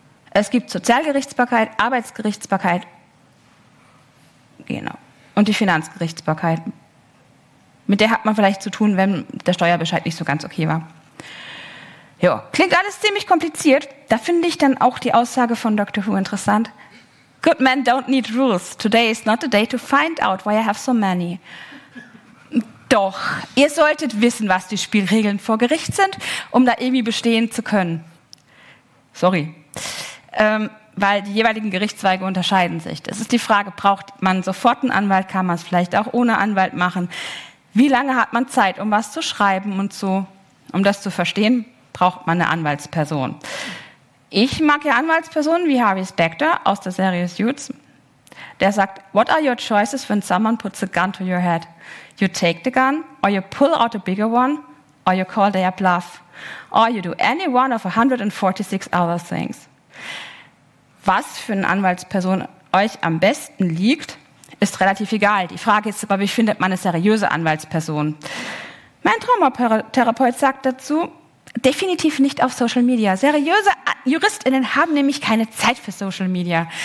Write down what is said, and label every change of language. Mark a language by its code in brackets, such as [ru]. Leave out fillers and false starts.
[de] Es gibt Sozialgerichtsbarkeit, Arbeitsgerichtsbarkeit, genau, und die Finanzgerichtsbarkeit. Mit der hat man vielleicht zu tun, wenn der Steuerbescheid nicht so ganz okay war. Ja, klingt alles ziemlich kompliziert. Da finde ich dann auch die Aussage von Dr. Who interessant. [en] Good men don't need rules. Today is not the day to find out why I have so many. [de] Doch, ihr solltet wissen, was die Spielregeln vor Gericht sind, um da irgendwie bestehen zu können. Sorry. Weil die jeweiligen Gerichtszweige unterscheiden sich. Das ist die Frage, braucht man sofort einen Anwalt, kann man es vielleicht auch ohne Anwalt machen? Wie lange hat man Zeit, um was zu schreiben und so? Um das zu verstehen, braucht man eine Anwaltsperson. Ich mag ja Anwaltspersonen wie Harvey Specter aus der Serie Suits. Der sagt, [en] what are your choices when someone puts a gun to your head? You take the gun, or you pull out a bigger one, or you call their bluff, or you do any one of 146 other things. [de] Was für eine Anwaltsperson euch am besten liegt, ist relativ egal. Die Frage ist aber, wie findet man eine seriöse Anwaltsperson? Mein Traumatherapeut sagt dazu, Definitiv nicht auf Social Media. Seriöse JuristInnen haben nämlich keine Zeit für Social Media.